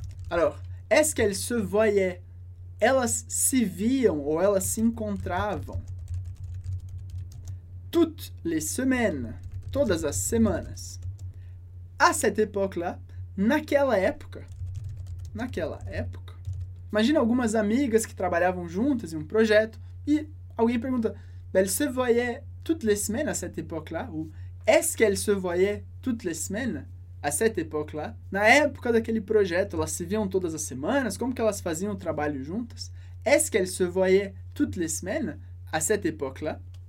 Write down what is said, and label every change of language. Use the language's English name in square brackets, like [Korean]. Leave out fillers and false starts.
[French] Alors, est-ce qu'elle se voyait? [Portuguese] Elas se viam ou elas se encontravam [French] toutes les semaines, [Portuguese] todas as semanas, [French] à cette époque-là, [Portuguese] naquela época. Naquela época. Imagina algumas amigas que trabalhavam juntas em um projeto e alguém pergunta: [French] Elle se voyait toutes les semaines à cette époque-là? Ou est-ce qu'elle se voyait toutes les semaines à cette époque-là? [Portuguese] Na época daquele projeto, elas se viam todas as semanas? Como que elas faziam o trabalho juntas? [French] Est-ce qu'elle se voyait toutes les semaines à cette époque-là?